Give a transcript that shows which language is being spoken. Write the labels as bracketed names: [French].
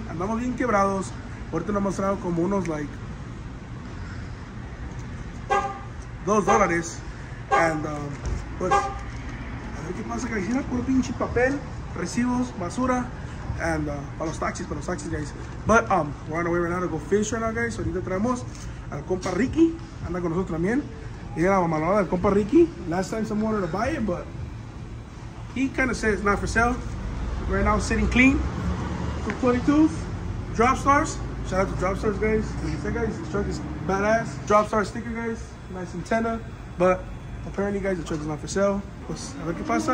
[Spanish] Andamos bien quebrados. Ahorita nos mostraron como unos, like, $2. And, pues, a ver qué pasa, que hicieron puro pinche papel, recibos, basura, and, para los taxis, guys. [English] But, we're on our way right now to go fish right now, guys. [Spanish] Ahorita traemos al compa Ricky, anda con nosotros también. Y la mamalona del compa Ricky. [English] Last time someone wanted to buy it, but he kind of said it's not for sale. Right now, sitting clean. For 22s, drop stars. Shout out to Drop Stars, guys. Like I said, guys, this truck is badass. Drop Star sticker, guys. Nice antenna. But apparently, guys, the truck is not for sale. [Spanish] Pues, a ver qué pasa.